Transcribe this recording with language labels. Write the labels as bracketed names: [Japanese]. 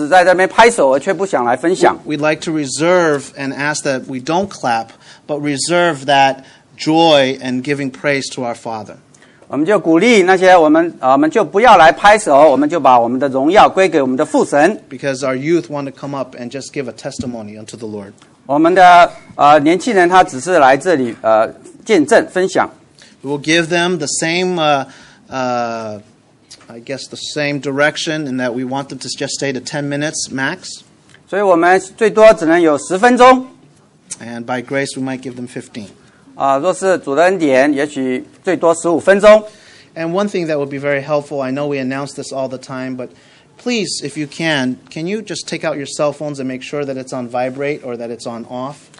[Chinese] 当我们有时候太过于享受、太过于喜乐了呢，我们只在这边拍手，而却不想来分享。 [English] We'd like to reserve and ask that we don't clap, but reserve that joy and giving praise to our Father. [Chinese] 我们就鼓励那些我们就不要来拍手，我们就把我们的荣耀归给我们的父神。 [English] Because our youth want to come up and just give a testimony unto the Lord. [Chinese] 我们的年轻人他只是来这里见证分享。 [English] We will give them the same. I guess the same direction in that we want them to just stay to 10 minutes max. [Chinese] 所以我们最多只能有10分钟。 [English] And by grace, we might give them 15. [Chinese] 若是主的恩典，也许最多15分钟。 [English] And one thing that would be very helpful, I know we announce this all the time, but please, if you can you just take out your cell phones and make sure that it's on vibrate or that it's on off?